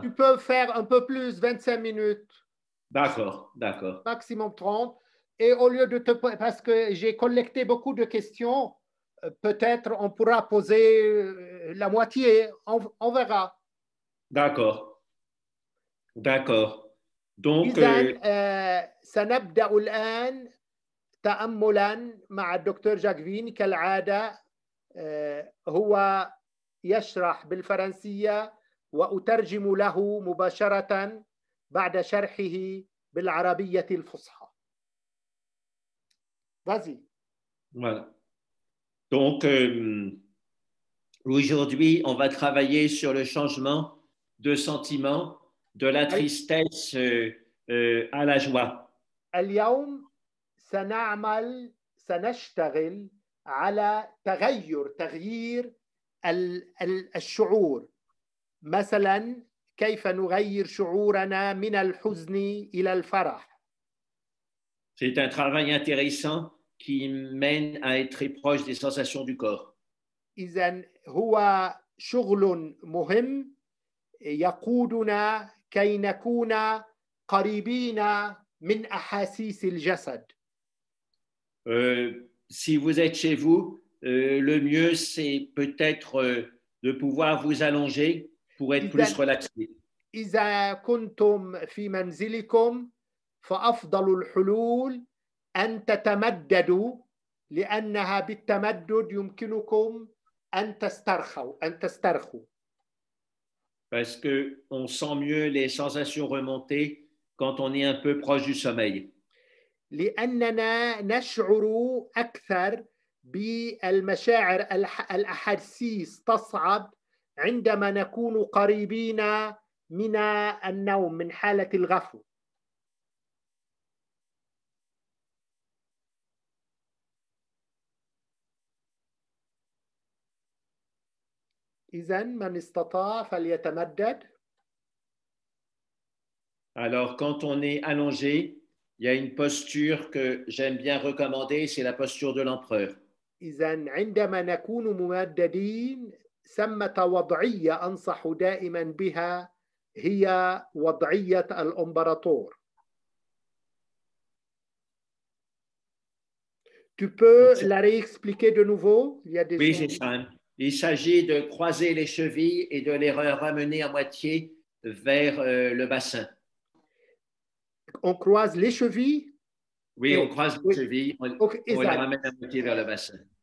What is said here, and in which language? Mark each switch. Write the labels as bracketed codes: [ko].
[fr] Tu peux faire un peu plus, 25 minutes. D'accord, d'accord. Maximum 30. Et au lieu de te... Parce que j'ai collecté beaucoup de questions, peut-être on pourra poser la moitié, on verra. D'accord. D'accord. Donc [ar] ça نبدأ الآن تأملا مع الدكتور جاكفين كالعادة هو يشرح بالفرنسية وأترجم له مباشرة بعد شرحه بالعربية الفصحى. [fr] Vas-y. Voilà. Donc aujourd'hui, on va travailler sur le changement de sentiment de la tristesse à la joie. [ar] اليوم سنعمل سنشتغل على تغيير الشعور. مثلا كيف نغير شعورنا من الحزن الى الفرح. [fr] C'est un travail intéressant qui mène à être très proche des sensations du corps. [ar] إذن هو شغل مهم يقودنا كي نكون قريبين من أحاسيس الجسد. [fr] Si vous êtes chez vous, le mieux c'est peut-être de pouvoir vous allonger pour être plus relaxé. [ar] إذا كنتم في منزلكم فأفضل الحلول أن تتمددوا لأنها بالتمدد يمكنكم أن تسترخوا أن تسترخوا. [fr] Parce que on sent mieux les sensations remonter quand on est un peu proche du sommeil. [ar] لأننا نشعر أكثر بالمشاعر الأحاسيس تصعب عندما نكون قريبين من النوم من حالة الغفو. إذن من استطاع فليتمدد. [fr] Alors quand on est allongé, il y a une posture que j'aime bien recommander, c'est la posture de l'empereur. [ar] إذن عندما نكون ممددين ثمة وضعية أنصح دائما بها هي وضعية الإمبراطور. [fr] Tu peux la réexpliquer de nouveau? Il y a des oui, c'est ça. Il s'agit de croiser les chevilles et de les ramener à moitié vers le bassin. On croise les chevilles? Oui, on croise les chevilles, on les ramène à moitié vers le bassin.